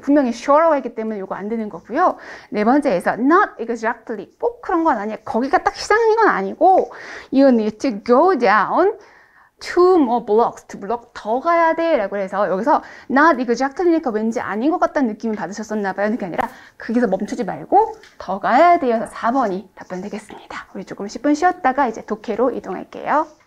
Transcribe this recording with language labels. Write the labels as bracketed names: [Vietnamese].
[Korean] 분명히 sure라고 했기 때문에 이거 안 되는 거고요. 네 번째에서 [English] not exactly. [Korean] 꼭 그런 건 아니야. 거기가 딱 시장인 건 아니고 [English] you need to go down two more blocks. [Korean] 두 블록 더 가야 돼. 라고 해서 여기서 not exactly니까 왠지 아닌 것 같다는 느낌을 받으셨었나 봐요. 그게 아니라 거기서 멈추지 말고 더 가야 돼요. 4번이 답변 되겠습니다. 우리 조금 10분 쉬었다가 이제 독해로 이동할게요.